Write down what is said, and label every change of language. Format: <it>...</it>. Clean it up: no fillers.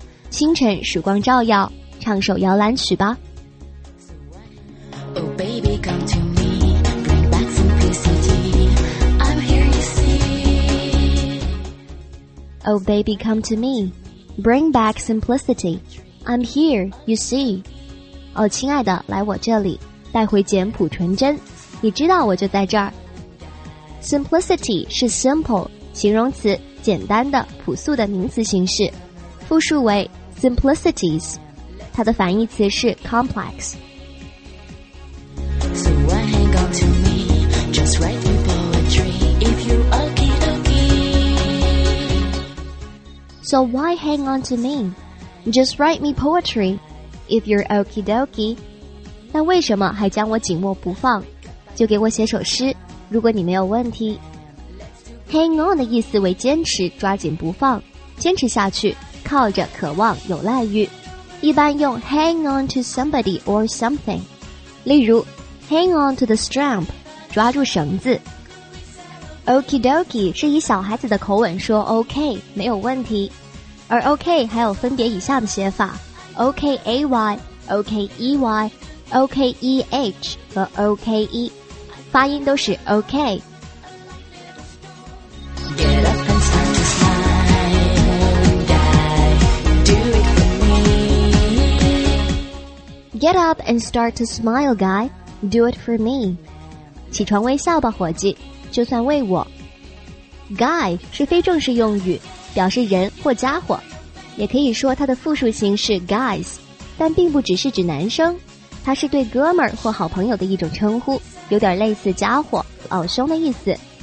<zh>清晨曙光照耀，唱首摇篮曲吧。</zh> <en>Oh baby, come to me, bring back some PCT. I'm here, you see. Oh baby, come to me, bring back simplicity. I'm here, you see.</en> <zh>哦，亲爱的，来我这里，带回简朴纯真。你知道我就在这儿。Simplicity 是 simple. 形容词，简单的、朴素的名词形式，复数为 simplicities， 它的反义词是 complex。</zh> <en>So why hang on to me? Just write me poetry. if you're okie dokie.</en> <zh>那为什么还将我紧握不放？就给我写首诗，如果你没有问题。 Hang on 的意思为坚持，抓紧不放，坚持下去，靠着，渴望，有赖于。一般用</zh> <en>hang on to somebody or something。</en> <zh>例如 ,</zh> <en>hang on to the strap,</en> <zh>抓住绳子。 Okie dokie 是以小孩子的口吻说 OK, 没有问题。而 OK 还有分别以下的写法 ,OKAY, OKEY, OKEH 和 OKE, 发音都是 OK。</zh> <en>Get up and start to smile, guy. Do it for me.</en> <zh>起床微笑吧，伙计，就算为我。Guy 是非正式用语，表示人或家伙，也可以说它的复数形式 guys, 但并不只是指男生，它是对哥们儿或好朋友的一种称呼，有点类似家伙、老兄的意思。</zh>